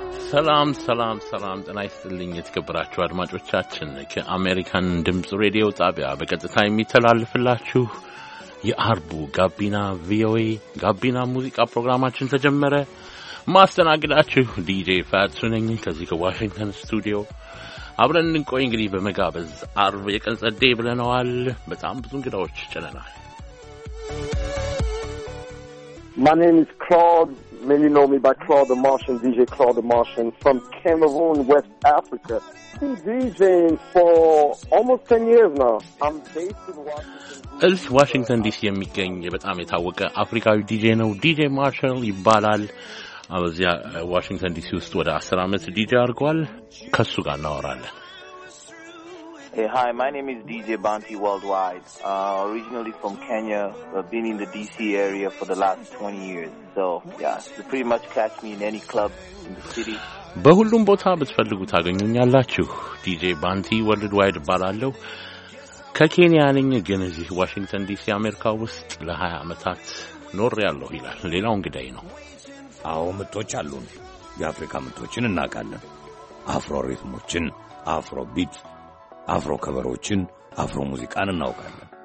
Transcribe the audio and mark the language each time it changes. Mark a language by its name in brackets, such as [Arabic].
[Amharic] ሰላም ሰላም ሰላም፣ ጤና ይስጥልኝ የተከበራችሁ አድማጮቻችን። ከአሜሪካን ድምፅ ሬዲዮ ጣቢያ በቀጥታ የሚተላለፍላችሁ የአርቡ ጋቢና ቪኦኤ ጋቢና ሙዚቃ ፕሮግራማችን ተጀመረ። ማስተናግዳችሁ ዲጄ ፋትሱ ነኝ፣ ከዚህ ከዋሽንግተን ስቱዲዮ። አብረን እንቆይ እንግዲህ በመጋበዝ። አርብ የቀን ጸደይ ብለነዋል፣ በጣም ብዙ እንግዳዎች ጭነናል። [English] My name is Claude. Many know me by Claude the Martian, DJ Claude the Martian from Cameroon, West Africa. I've been DJing for almost 10 years now. I'm based in Washington, D.C. [Amharic] የሚገኝ በጣም የታወቀ አፍሪካዊ ዲጄ ነው። ዲጄ ማርሻል ይባላል። አብዚያ ዋሽንግተን ዲሲ ውስጥ ወደ 10 ዓመት ዲጄ አድርጓል። ከሱ ጋር እናወራለን። [English] Hey, hi, my name is DJ Bounty Worldwide, originally from Kenya, been in the DC area for the last 20 years. So, yeah, you pretty much catch me in any club in the city. [Amharic] በሁሉም ቦታ ብትፈልጉ ታገኙኛላችሁ። DJ Bounty Worldwide ባላለሁ ከኬንያ ነኝ፣ ግን እዚህ ዋሽንግተን ዲሲ አሜሪካ ውስጥ ለ20 ዓመታት ኖሬያለሁ ይላል። ሌላው እንግዳይ ነው። አዎ፣ ምቶች አሉን። የአፍሪካ ምቶችን እናቃለን። አፍሮ ሪትሞችን፣ አፍሮ ቢት፣ አፍሮ ከበሮችን፣ አፍሮ ሙዚቃን እናውቃለን።